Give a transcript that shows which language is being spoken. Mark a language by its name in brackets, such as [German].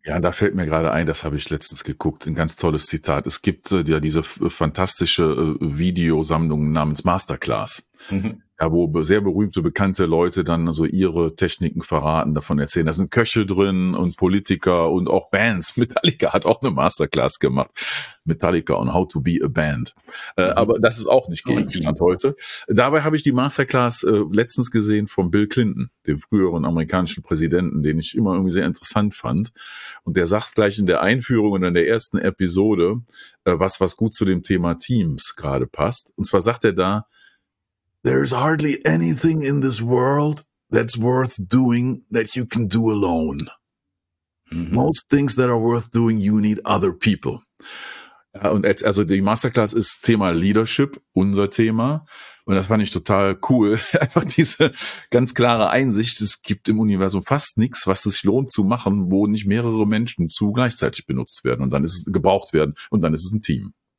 [German] Ja, da fällt mir gerade ein, das habe ich letztens geguckt, ein ganz tolles Zitat. Es gibt ja diese fantastische Videosammlung namens Masterclass, wo sehr berühmte, bekannte Leute dann so ihre Techniken verraten, davon erzählen. Da sind Köche drin und Politiker und auch Bands. Metallica hat auch eine Masterclass gemacht. [English] Metallica on how to be a band. [German] Aber das ist auch nicht Gegenstand heute. Dabei habe ich die Masterclass letztens gesehen von Bill Clinton, dem früheren amerikanischen Präsidenten, den ich immer irgendwie sehr interessant fand. Und der sagt gleich in der Einführung und in der ersten Episode, was gut zu dem Thema Teams gerade passt. Und zwar sagt er da, [English] there's hardly anything in this world that's worth doing that you can do alone. Most things that are worth doing, you need other people. [German] Und jetzt, also die Masterclass ist Thema Leadership, unser Thema. Und das fand ich total cool. Einfach diese ganz klare Einsicht. Es gibt im Universum fast nichts, was es sich lohnt zu machen, wo nicht mehrere Menschen zu gleichzeitig benutzt werden und dann ist es gebraucht werden und dann ist es ein Team.